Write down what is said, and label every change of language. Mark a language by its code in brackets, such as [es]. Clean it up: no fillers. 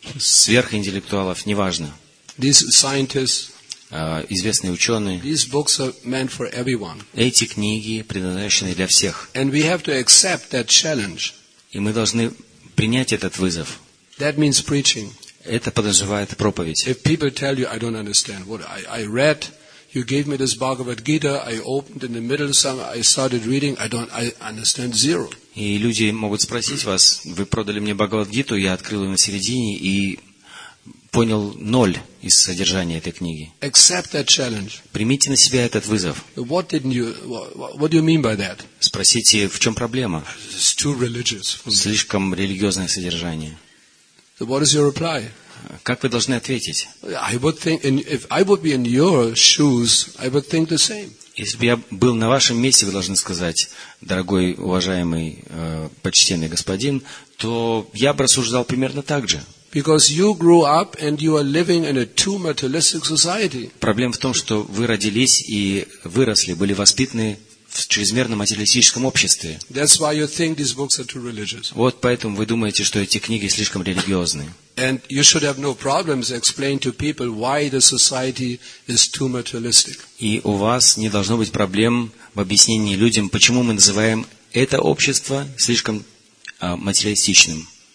[ru] Сверхинтеллектуалов, неважно. [en] These scientists, [ru] известные ученые. [en] These books are meant for everyone. [ru] Эти книги предназначены для всех. [en] And we have to accept that challenge. [ru] И мы должны принять этот вызов. [en] That means preaching. [ru] Это подразумевает проповедь. [en] If people tell you, I don't understand what I read, you gave me this Bhagavad Gita, I opened in the middle of summer, I started reading, I understand zero. [ru] И люди могут спросить вас, вы продали мне Бхагавад-гиту, я открыл ее на середине и понял ноль из содержания этой книги. [en] Accept that challenge. [ru] Примите на себя этот вызов. [en] What didn't you, what do you mean by that? [ru] Спросите, в чем проблема? [en] It's too religious for me. [ru] Слишком религиозное содержание. [en] So what is your reply? [ru] Как вы должны ответить? [en] I would think, if I would be in your shoes, I would think the same. [ru] Если бы я был на вашем месте, вы должны сказать, дорогой, уважаемый, почтенный господин, то я бы рассуждал примерно так же. [en] Because you grew up and you are living in a too materialistic society. [ru] Проблема в том, что вы родились и выросли, были воспитаны в чрезмерно материалистическом обществе. [en] That's why you think these books are too religious. [ru] Вот поэтому вы думаете, что эти книги слишком религиозны. [en] And you should have no problems explaining to people why the society is too materialistic. [ru] И у вас не должно быть проблем в объяснении людям, почему мы называем это общество слишком материалистичным.